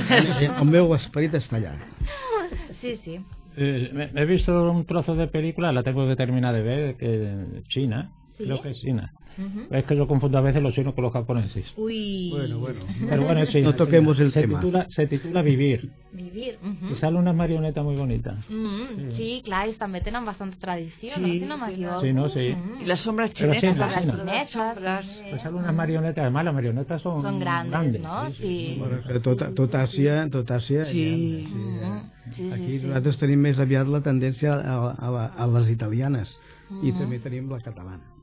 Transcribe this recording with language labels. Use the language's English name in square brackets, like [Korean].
[Catalan] El meu esperit està allà. [Spanish] Sí, sí. [Catalan] He vist [Spanish] un trozo de pel·lícula, la tengo que terminar de ver, que China, sí? Creo que es China. Uh-huh. Es que yo confundo a veces los chinos con los japoneses. Uy. Bueno, bueno. Pero bueno, no toquemos el tema. Se titula Vivir. Vivir. Uh-huh. Y sale una marioneta muy bonita. Uh-huh. Sí, claro, también tienen bastante tradición. Sí, no, sí, no, sí. Y las sombras chinesas. Sí, las chinesas. Pues sale una marioneta, además las marionetas son grandes, ¿no? Sí. [Catalan] Tot Àsia, tot Àsia. Sí. Aquí nosaltres tenim més aviat la tendència a les italianes. I també tenim la catalana.